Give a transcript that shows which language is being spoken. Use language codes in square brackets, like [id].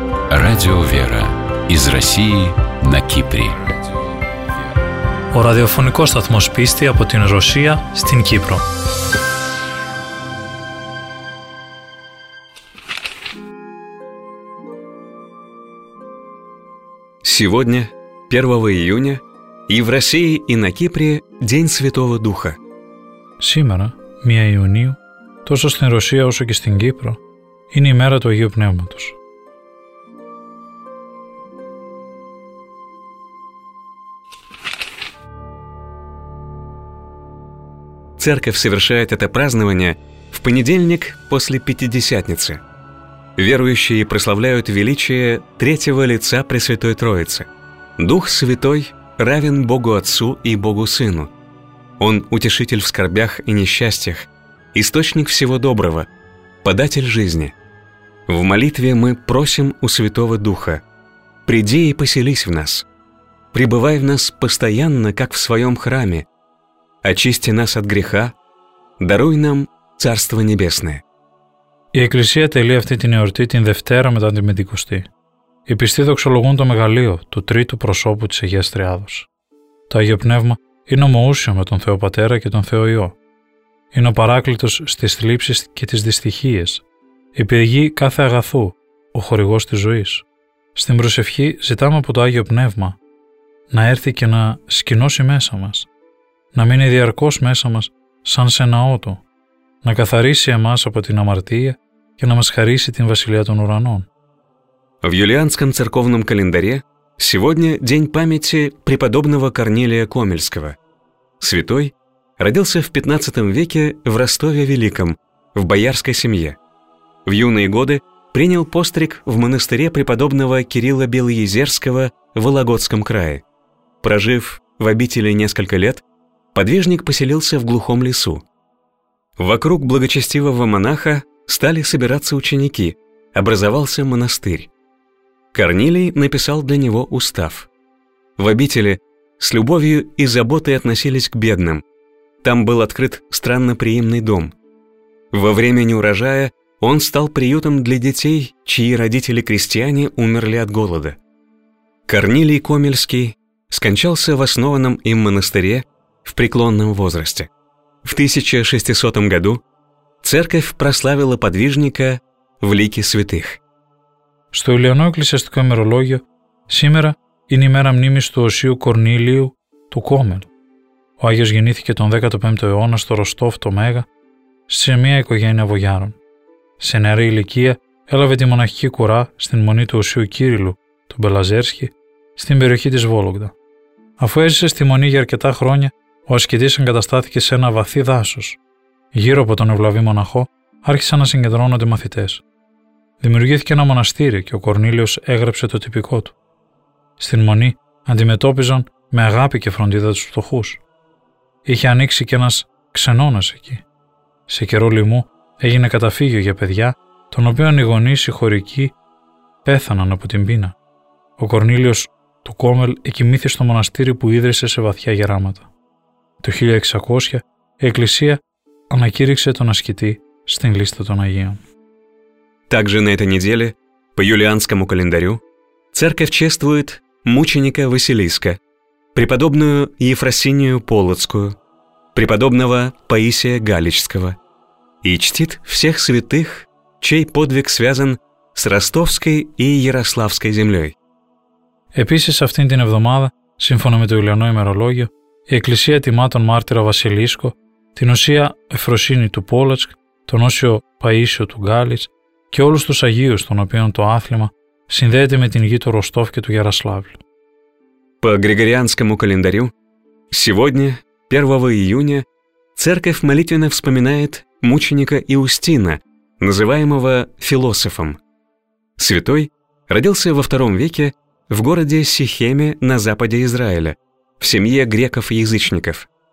[ru] Радио «Вера» из России на Кипре. [el] Ο ραδιοφωνικός σταθμός πίστη από την Ρωσία στην Κύπρο. [ru] Сегодня, 1 июня, и в России, и на Кипре День Святого Духа. [el] Σήμερα, 1 Ιουνίου, τόσο στην Ρωσία όσο και στην Κύπρο, είναι η μέρα του Αγίου Πνεύματος. [ru] Церковь совершает это празднование в понедельник после Пятидесятницы. Верующие прославляют величие третьего лица Пресвятой Троицы. Дух Святой равен Богу Отцу и Богу Сыну. Он утешитель в скорбях и несчастьях, источник всего доброго, податель жизни. В молитве мы просим у Святого Духа: «Приди и поселись в нас, пребывай в нас постоянно, как в своем храме, очисти нас от греха, даруй нам Царство Небесное». [el] Η Εκκλησία τελεί αυτή την εορτή την Δευτέρα μετά την Πεντηκοστή. Οι πιστοί δοξολογούν το μεγαλείο του τρίτου προσώπου της Αγίας Τριάδος. Το Άγιο Πνεύμα είναι ομοούσιο με τον Θεό Πατέρα και τον Θεό Υιό. Είναι ο παράκλητος στις θλίψεις και τις δυστυχίες. Η πηγή κάθε αγαθού, ο χορηγός της ζωής. Στην προσευχή ζητάμε από το Άγιο Πνεύμα να έρθει και να σκηνώσει μέσα μας. Να μείνει διαρκώς μέσα μας σαν σε ναό του. Να καθαρίσει εμάς από την αμαρτία και να μας χαρίσει την Βασιλεία των Ουρανών. [ru] В юлианском церковном календаре сегодня день памяти преподобного Корнилия Комельского. Святой родился в 15 веке в Ростове Великом, в боярской семье. В юные годы принял постриг в монастыре преподобного Кирилла Белоезерского в Вологодском крае. Прожив в обители несколько лет, подвижник поселился в глухом лесу. Вокруг благочестивого монаха стали собираться ученики, образовался монастырь. Корнилий написал для него устав. В обители с любовью и заботой относились к бедным. Там был открыт странноприимный дом. Во время неурожая он стал приютом для детей, чьи родители-крестьяне умерли от голода. Корнилий Комельский скончался в основанном им монастыре в преклонном возрасте. В 1600 году церковь прославила подвижника в лике святых. [el] Στο Ιουλιανό Εκκλησιαστικό ημερολόγιο, σήμερα είναι η μέρα μνήμης του Οσίου Κορνίλιου του Κόμελ. Ο Άγιος γεννήθηκε τον 15ο αιώνα στο Ροστόφ το Μέγα, σε μια οικογένεια βογιάρων. Σε νεαρή ηλικία έλαβε τη μοναχική κουρά στην μονή του Οσίου Κύριλου, τον Μπελαζέρσκι, στην περιοχή της Βόλογδα. Αφού έζησε στη μονή για αρκετά χρόνια, ο ασκητής εγκαταστάθηκε σε ένα βαθύ δάσος. Γύρω από τον ευλαβή μοναχό άρχισαν να συγκεντρώνονται μαθητές. Δημιουργήθηκε ένα μοναστήρι και ο Κορνίλιος έγραψε το τυπικό του. Στην μονή αντιμετώπιζαν με αγάπη και φροντίδα τους φτωχούς. Είχε ανοίξει και ένας ξενώνας εκεί. Σε καιρό λοιμού έγινε καταφύγιο για παιδιά, των οποίων οι γονείς οι χωρικοί πέθαναν από την πείνα. Ο Κορνίλιος του Κόμελ εκοιμήθη στο μοναστήρι που ίδρυσε σε βαθιά γεράματα. Το 1600 η Εκκλησία ανακήρυξε τον ασκητή στην λίστα των Αγίων. [ru] Также на этой неделе, по юлианскому календарю, церковь чествует мученика Василиска, преподобную Ефросинию Полоцкую, преподобного Паисия Галичского и чтит всех святых, чей подвиг связан с Ростовской и Ярославской землей. [el] Επίσης, αυτήν την εβδομάδα, σύμφωνα με το Ιουλιανό ημερολόγιο, η Εκκλησία τιμά τον μάρτυρα Βασιλίσκο, την Οσία Εφροσύνη του Πόλοτσκ, τον Όσιο Παΐσιο του Γκάλιτς και όλους τους Αγίους, των οποίων το άθλημα συνδέεται με την γη του Ροστόφ και του Γιαρασλάβλου. [ru] По Григорианскому календарю, сегодня, 1 июня, церковь молитвенно вспоминает мученика Иустина, называемого философом. Святой родился во II веке в городе Сихеме на западе Израиля, в семье греков-язычников.